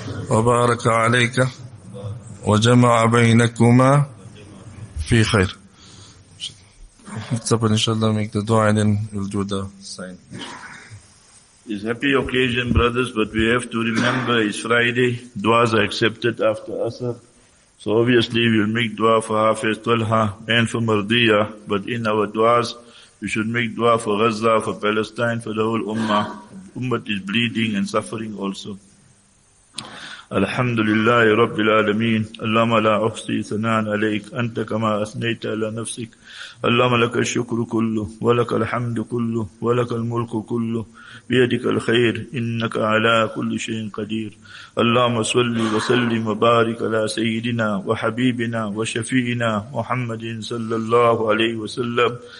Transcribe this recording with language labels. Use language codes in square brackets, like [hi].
[ar] وبارك عليك وجمع بينكما في خير. [en] Inshallah, inshallah, make the dua and then we'll do the sign. It's a happy occasion, brothers, but we have to remember it's Friday. Duas are accepted after Asr. So obviously we'll make dua for Hafiz Talha and for Mardiya, but in our duas, we should make dua for Gaza, for Palestine, for the whole Ummah. Ummah is bleeding and suffering also. [ar] الحمد لله رب العالمين اللهم لا أحصي ثناء عليك أنت كما أثنيت على نفسك اللهم لك الشكر كله ولك الحمد كله ولك الملك كله بيدك الخير إنك على كل شيء قدير اللهم صل وسلم وبارك على سيدنا وحبيبنا وشفينا محمد صلى الله عليه وسلم